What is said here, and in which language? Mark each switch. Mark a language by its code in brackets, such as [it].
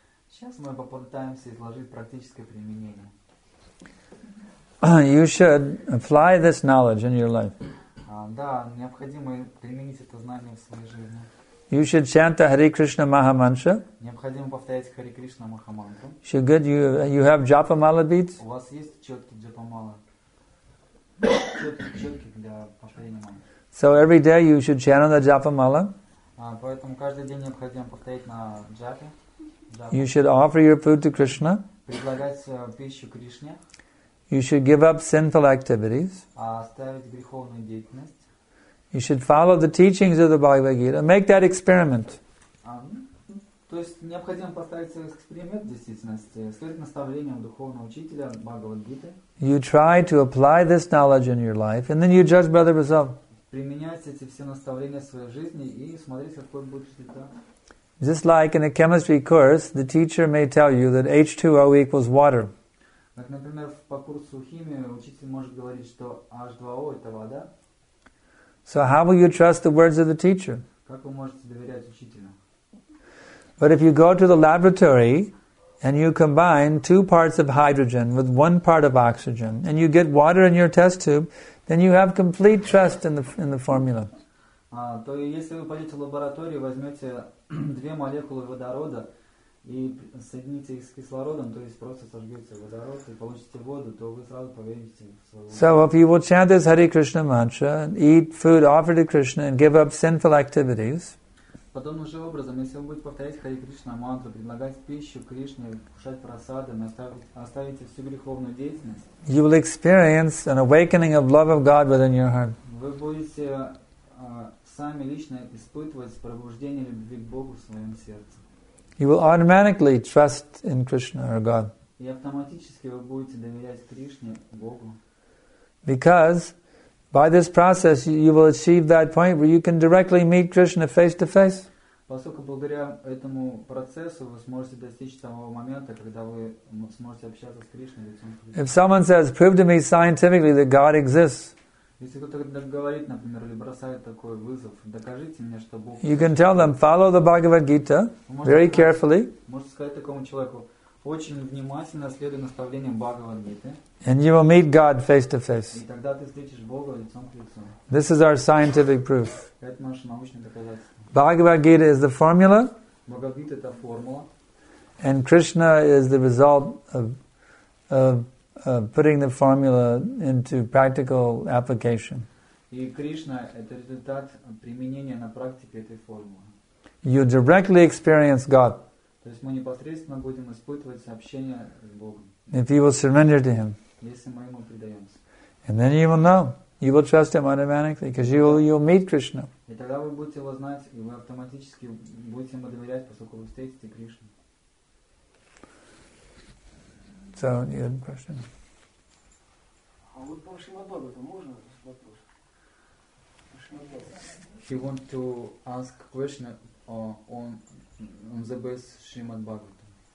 [ru] Сейчас мы попытаемся изложить практическое применение. [en] You should apply this knowledge in your life. [ru] Да, необходимо применить это знание в своей жизни. [en] You should chant the Hare Krishna Maha Mantra. [ru] Необходимо повторять Hare Krishna Maha Mantra. [en] So good, you have Japa Mala beads? [ru] У вас есть четкий Japa Mala? Четкий для повторения мантры. [en] So every day you should chant on the Japa Mala. [ru] Поэтому каждый день необходимо повторять на Japa. [en] You should offer your food to Krishna. [ru] Предлагать пищу Кришне. [en] You should give up sinful activities. [ru] Оставить греховную деятельность. [en] You should follow the teachings of the Bhagavad Gita. Make that experiment. [ru] То есть необходимо поставить эксперимент в действительности. Следовать наставлениям духовного учителя Бхагавад Гиты. [en] You try to apply this knowledge in your life, and then you judge by the result. [ru] применять эти все наставления в своей жизни и смотреть, какой будет результат. [en] Just like in a chemistry course, the teacher may tell you that H2O equals water. [ru] Так, например, по курсу химии учитель может говорить, что H2O это вода. [en] So how will you trust the words of the teacher? [ru] Как вы можете доверять учителю? [en] But if you go to the laboratory and you combine two parts of hydrogen with one part of oxygen and you get water in your test tube, then you have complete trust in the formula. [ru] То если вы пойдете в лабораторию, возьмете две молекулы водорода и соедините их с кислородом, то есть просто сожгете водород и получите воду, то вы сразу поверите в свою. [en] So if you will chant this Hare Krishna mantra, eat food offered to Krishna and give up sinful activities, [ru] подобным же образом, если вы будете повторять Хари Кришна мантру, предлагать пищу Кришне, кушать просады, оставите всю греховную деятельность, [en] you will experience an awakening of love of God within your heart. [ru] Вы будете сами лично испытывать пробуждение любви к Богу в своем сердце. [en] You will automatically trust in Krishna or God. [ru] И автоматически вы будете доверять Кришне, Богу. [en] Because by this process, you will achieve that point where you can directly meet Krishna face to face. [ru] Поскольку благодаря этому процессу вы сможете достичь того момента, когда вы сможете общаться с Кришной лицом к лицу. [en] If someone says, "Prove to me scientifically that God exists," [ru] если кто-то говорит, например, или бросает такой вызов, докажите мне, что Бог. [en] You can tell them, follow the Bhagavad Gita very carefully. [ru] Можете сказать такому человеку, очень внимательно следуй наставлениям Бхагавад Гиты. [en] And you will meet God face to face. [ru] И тогда ты встретишь Бога лицом к лицу. [en] This is our scientific proof. [ru] Это наше научное доказательство. [en] Bhagavad Gita is the formula. [ru] Bhagavad Gita это формула. [en] And Krishna is the result of putting the formula into practical application. [ru] И Кришна это результат применения на практике этой формулы. [en] You directly experience God. [ru] То есть мы непосредственно будем испытывать общение с Богом. [en] If you will surrender to Him. [ru] Если мы ему предаемся. [en] And then you will know. You will trust Him automatically, because you will meet Krishna. [ru] И тогда вы будете его знать, и вы автоматически будете ему доверять, поскольку вы встретите Кришну. [en] So, you had a question. [ru] А вот по Шримад-Бхагаватам можно вопрос? [en] He want to ask question on the base Шримад-Бхагаватам.